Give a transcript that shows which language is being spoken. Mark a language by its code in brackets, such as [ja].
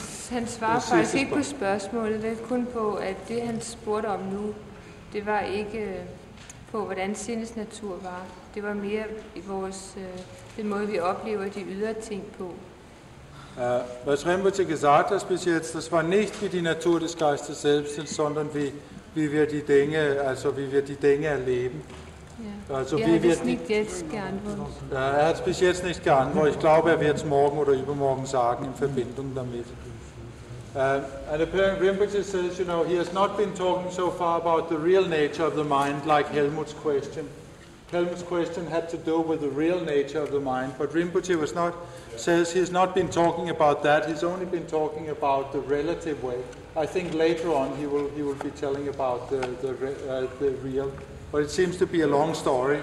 [da] Han svarer faktisk ikke på spørgsmålet, det er kun på, at det han spurgte om nu, det var ikke på, hvordan sindets natur var. Det var mere i vores, den måde, vi oplever de ydre ting på. [de] Was Rinpoche gesagt hat bis jetzt, das war nicht wie die Natur des Geistes selbst, sondern wie wir die Dinge erleben. Also, er hat es bis jetzt nicht geantwortet. Ich glaube, er wird es morgen oder übermorgen sagen in Verbindung damit. [en] And apparently Rinpoche says, you know, he has not been talking so far about the real nature of the mind, like Helmut's question. Kelvin's question had to do with the real nature of the mind, but Rinpoche was not, says he has not been talking about that. He's only been talking about the relative way. I think later on he will be telling about the real, but it seems to be a long story.